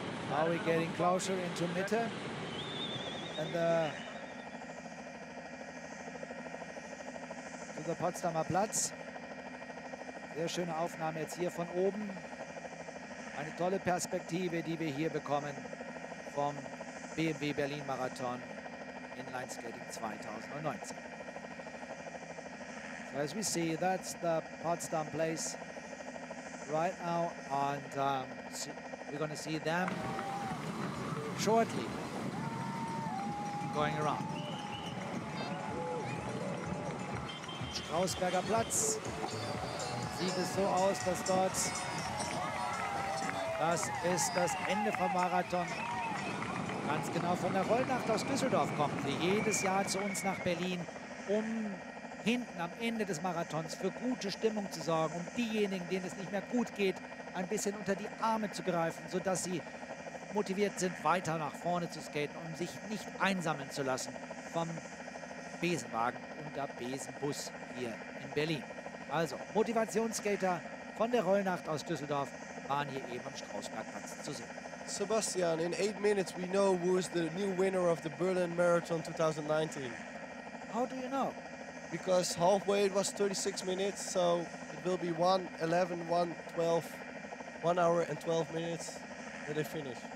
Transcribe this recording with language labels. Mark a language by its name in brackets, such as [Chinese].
[English] Now we're getting closer into Mitte. And to the Potsdamer Platz. [German] Sehr schöne Aufnahme jetzt hier von oben. Eine tolle Perspektive, die wir hier bekommen vom BMW Berlin Marathon Inline Skating 2019. [English] As we see, that's the Potsdam place right now, and we're going to see them shortly going around. [German] Strausberger Platz. Sieht es so aus, dass dort das ist das Ende vom Marathon. Ganz genau von der Rollnacht aus Düsseldorf kommt, die jedes Jahr zu uns nach Berlin, um hinten am Ende des Marathons für gute Stimmung zu sorgen, um diejenigen, denen es nicht mehr gut geht, ein bisschen unter die Arme zu greifen, sodass sie motiviert sind, weiter nach vorne zu skaten, um sich nicht einsammeln zu lassen vom Besenwagen und der Besenbus hier in Berlin. Also, Motivationsskater von der Rollnacht aus Düsseldorf waren hier eben am Strausbergplatz zu sehen. [English] Sebastian, in 8 minutes we know who is the new winner of the Berlin Marathon 2019. How do you know? Because halfway it was 36 minutes, so it will be 1:11, 1:12, 1 hour and 12 minutes that they finish.